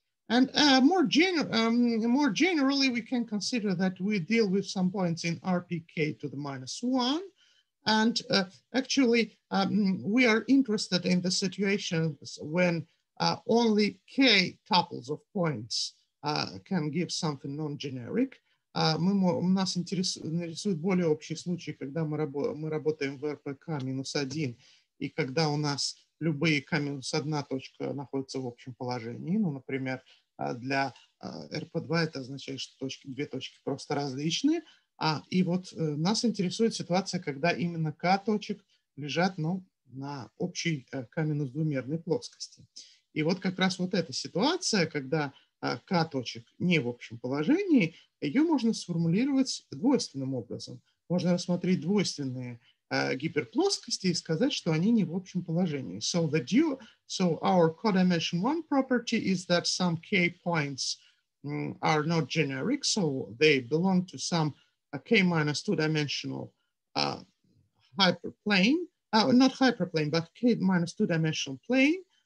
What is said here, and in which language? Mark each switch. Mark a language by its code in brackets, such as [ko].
[en] And more generally, we can consider that we deal with some points in RPK to the minus one. And we are interested in the situations when only K tuples of points can give something non-generic. [ru] Нас интересует более общий случай, когда мы работаем в РПК минус один, и когда у нас любые K минус одна точка находятся в общем положении. Ну, например, для RP2 это означает, что точки, две точки просто различные. Нас интересует ситуация, когда именно K точек лежат на общей K минус двумерной плоскости. И вот как раз вот эта ситуация, когда K точек не в общем положении, ее можно сформулировать двойственным образом. Можно рассмотреть двойственные гиперплоскости и сказать, что они не в общем положении. [en] So our codimension one property is that some k points are not generic, so they belong to some k minus two dimensional hyperplane, not hyperplane, but k minus two dimensional plane.